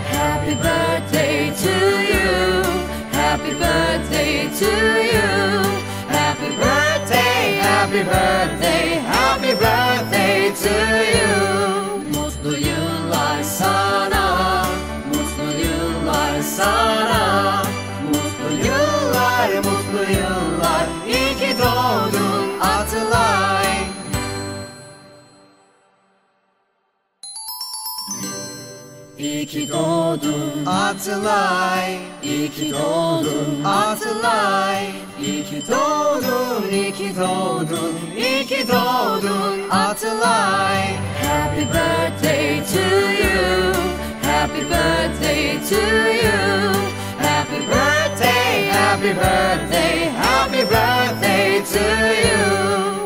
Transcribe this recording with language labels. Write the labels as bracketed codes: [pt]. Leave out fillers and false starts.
[en] Happy birthday to you, happy birthday to you, happy birthday, happy birthday, happy birthday to you. [tr] Mutlu yıllar sana, mutlu yıllar sana, mutlu yıllar, mutlu yıllar, iyi ki doğdun hatırlay. İyi ki doğdun hatırlay, iyi ki doğdun hatırlay, iyi ki doğdun, iyi ki doğdun, iyi ki doğdun hatırlay. [en] Happy birthday to you, happy birthday to you, happy birthday, happy birthday, happy birthday to you.